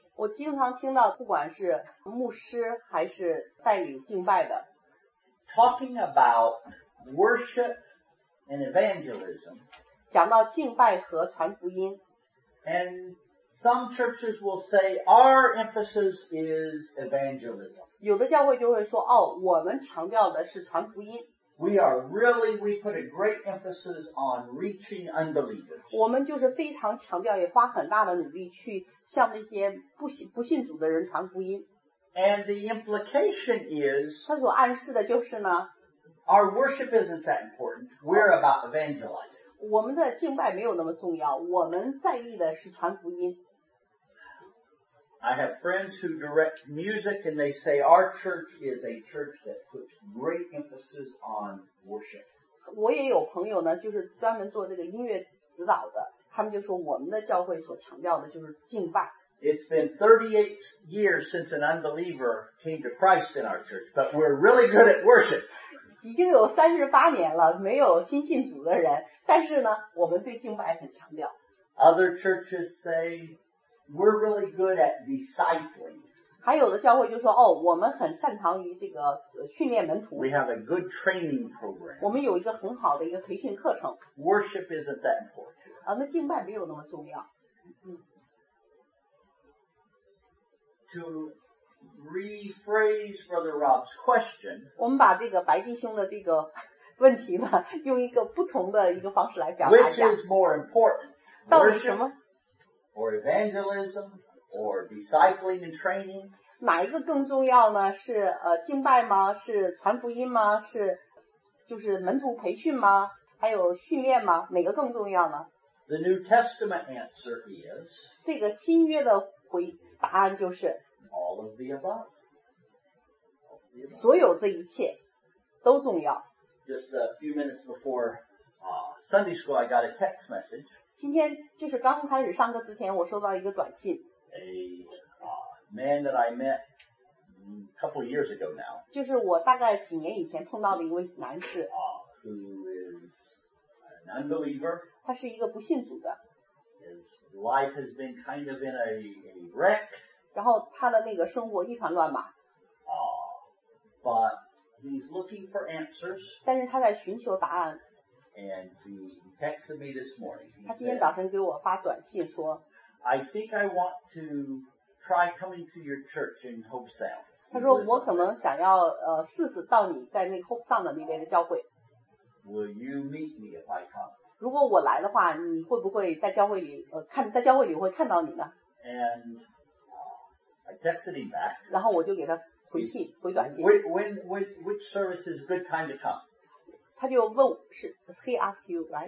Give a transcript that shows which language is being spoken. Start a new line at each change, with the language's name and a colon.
Chinese: 我经常听到不管是牧师还是带领敬拜的
English: talking about worship and evangelism
Chinese: 讲到敬拜和传福音
English: and some churches will say our emphasis is evangelism
Chinese: 有的教会就会说哦，我们强调的是传福音
English: we put a great emphasis on reaching unbelievers
Chinese: 我们就是非常强调也花很大的努力去向那些不信主的人传福音。
English: And the implication is,
Chinese: 他所暗示的就是呢
English: ,our worship isn't that important, we're about evangelizing.
Chinese: 我们的敬拜没有那么重要我们在意的是传福音。
English: I have friends who direct music and they say our church is a church that puts great emphasis on worship.
Chinese: 我也有朋友呢就是专门做这个音乐指导的。他们就说我们的教会所强调的就是敬拜。
English: It's been 38 years since an unbeliever came to Christ in our church, but we're really good at worship.
Chinese: 已经有38年了，没有新信主的人，但是呢，我们对敬拜很强调。
English: Other churches say we're really good at discipling.
Chinese: 还有的教会就说哦，我们很擅长于这个训练门徒。
English: We have a good training program.
Chinese: 我们有一个很好的一个培训课程。
English: Worship isn't that important.
Chinese: 啊，那敬拜没有那么重要。嗯、
English: to rephrase Brother Rob's question，
Chinese: 我们把这个白弟兄的这个问题呢，用一个不同的一个方式来表达一下。
English: Which is more important？
Chinese: 到底什么
English: ？Or evangelism or discipling and training？
Chinese: 哪一个更重要呢？是敬拜吗？是传福音吗？是就是门徒培训吗？还有训练吗？哪个更重要呢？
English: The New Testament answer is
Chinese: 这个新约的回答案就是
English: All of the above，
Chinese: 所有这一切都重要。
English: Just a few minutes before Sunday school I got a text message，
Chinese: 今天就是刚开始上课之前我收到一个短信。
English: A man that I met couple years ago now，
Chinese: 就是我大概几年以前碰到的一位男士。
English: Who is an unbeliever，
Chinese: 他是一个不信主的。
English: His life has been kind of in a wreck，
Chinese: 然后他的那个生活一团乱麻。
English: But he's looking for answers，
Chinese: 但是他在寻求答案。
English: And he texted me this morning，
Chinese: 他今天早晨给我发短信说，
English: I think I want to try coming to your church in Hope South。
Chinese: 他说我可能想要试试到你在那个 Hope Sound 的那边的教会。
English: Will you meet me if I come？
Chinese: 如果我来的话，你会不会在教会里在教会里会看到你呢？
English: And I texted him back。
Chinese: 然后我就给他回信回短信。
English: Which service is a good time to come？
Chinese: 他就问是
English: He asked you right？